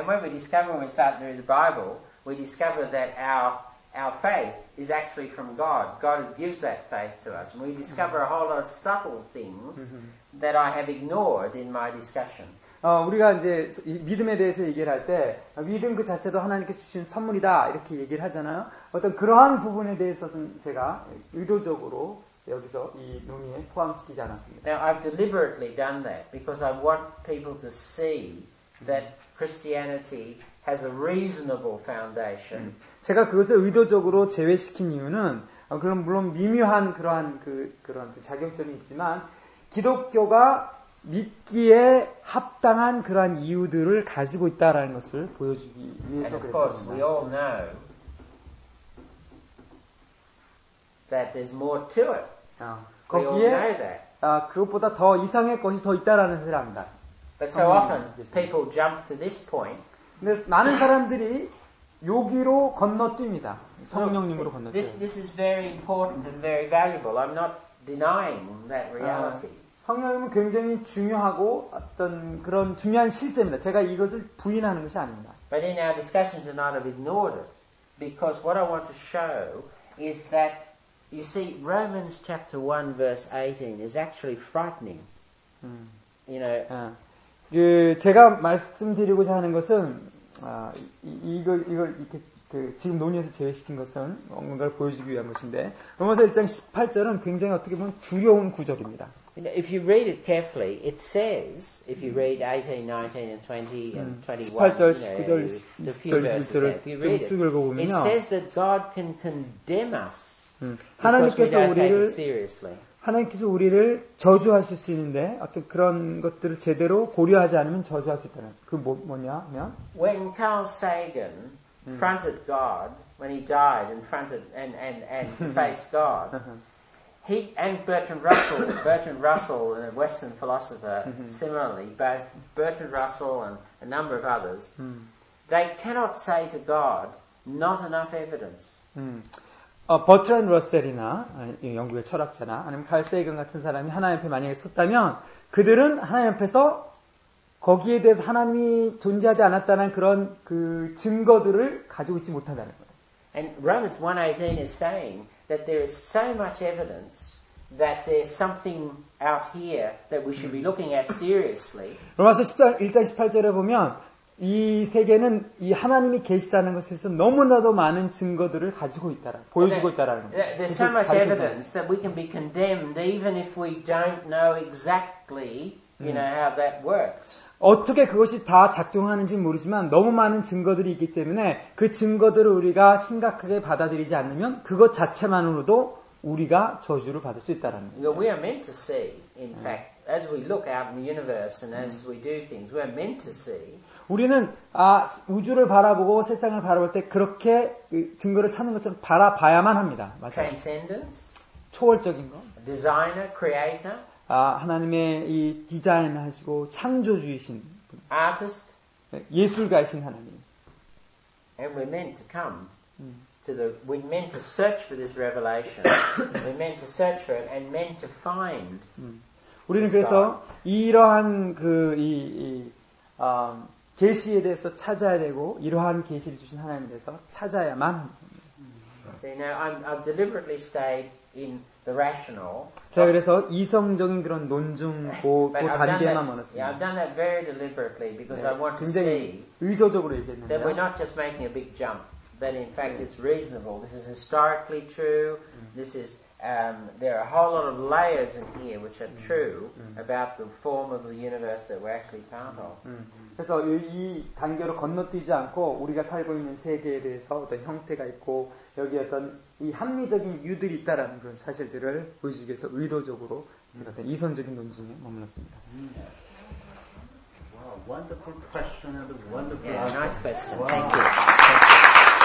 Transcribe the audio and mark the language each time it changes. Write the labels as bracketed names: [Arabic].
[English] And when we discover when we start to read the Bible, we discover that our faith is actually from God. God gives that faith to us. And we discover a whole lot of subtle things that I have ignored in my discussion. [Korean] 우리가 이제 믿음에 대해서 얘기를 할 때 믿음 그 자체도 하나님께 주신 선물이다 이렇게 얘기를 하잖아요. 어떤 그러한 부분에 대해서는 제가 의도적으로 여기서 이 논의에 포함시키지 않았습니다. [English] Now I've deliberately done that because I want people to see that Christianity has a reasonable foundation. [Korean] 제가 그것을 의도적으로 제외시킨 이유는 그럼 물론 미묘한 그러한 그런 자격점이 있지만 기독교가 믿기에 합당한 그러한 이유들을 가지고 있다라는 것을 보여주기 위해서 [English] And of course, we all know that there's more to it. We all know that. [Korean] 그것보다 더 이상의 것이 더 있다라는 것을 압니다. [English] But so often people jump to this point. [Korean] 근데 많은 사람들이 여기로 건너뜁니다. 성령님으로 건너뜁니다. [English] This is very important and very valuable. I'm not denying that reality. [Korean] 성령님은 굉장히 중요하고 어떤 그런 중요한 실제입니다. 제가 이것을 부인하는 것이 아닙니다. [English] But in our discussion tonight, I've ignored it because what I want to show is that you see Romans chapter 1 verse 18 is actually frightening. You know, [Korean] 그 제가 말씀드리고자 하는 것은 이걸 이렇게 지금 논의에서 제외시킨 것은 뭔가를 보여주기 위한 것인데 로마서 1장 18절은 굉장히 어떻게 보면 두려운 구절입니다. [English] If you read it carefully, it says, if you read 18, 19, and 20, and [Korean] 21, 18절, 19절, 20절을 쭉 읽어보면요. [English] It says that God can condemn us. [Korean] 하나님께서 우리를, [English] take it seriously. [Korean] 하나님께서 우리를 저주하실 수 있는데, 어떤 그런 것들을 제대로 고려하지 않으면 저주할 수 있다는. 그 뭐냐면. [English] When Carl Sagan fronted God, when he died and fronted and faced God, He and Bertrand Russell, a Western philosopher, similarly, both Bertrand Russell and a number of others, they cannot say to God, not enough evidence. [Korean] Bertrand Russell이나 영국의 철학자나 아니면 칼 세이건 같은 사람이 하나님 앞에 만약에 섰다면 그들은 하나님 앞에서 거기에 대해서 하나님이 존재하지 않았다는 그런 그 증거들을 가지고 있지 못한다는 거예요. [English] And Romans 1:18 is saying that there is so much evidence that there's something out here that we should be looking at seriously. [Korean] 로마서 1장 18절에 보면 이 세계는 이 하나님이 계시다는 것에서 너무나도 많은 증거들을 가지고 있다라 보여주고 있다라는 거예요. [English] There's so much evidence that we can be condemned even if we don't know exactly, you know, how that works. [Korean] 어떻게 그것이 다 작동하는지 모르지만 너무 많은 증거들이 있기 때문에 그 증거들을 우리가 심각하게 받아들이지 않으면 그것 자체만으로도 우리가 저주를 받을 수 있다라는 거예요. [English] We are meant to see, in fact, as we look out in the universe and as we do things, we are meant to see. [Korean] 우리는 우주를 바라보고 세상을 바라볼 때 그렇게 증거를 찾는 것처럼 바라봐야만 합니다. 맞아요. [English] Transcendence, [Korean] 초월적인 거. [English] Designer, creator. [Korean] 하나님의 이 디자인하시고 창조주이신 분. [English] Artist. [Korean] 예술가이신 하나님. [English] And we're meant to come we're meant to search for this revelation. We're meant to search for it and meant to find. [Korean] 우리는 그래서 이러한 그 이 계시에 대해서 찾아야 되고 이러한 계시를 주신 하나님에 대해서 찾아야만. [English] See, now I've deliberately stayed in the rational. [Korean] 자, 그래서 이성적인 그런 논증 고 단계만 멀었습니다. [English] Yeah, I've done that very deliberately because 네, I want to see. [Korean] 굉장히 의도적으로 얘기했는데. [English] That we're not just making a big jump. That in fact it's reasonable. This is historically true. This is there are a whole lot of layers in here which are true about the form of the universe that we're actually part of. [Korean] 그래서 이 단계로 건너뛰지 않고 우리가 살고 있는 세계에 대해서 어떤 형태가 있고 여기 어떤 이 합리적인 이유들이 있다라는 그런 사실들을 보여주기 위해서 의도적으로 어떤 이선적인 논증에 머물렀습니다. [English] Wow, wonderful question and a wonderful answer. Nice question. Wow. Thank you. Thank you.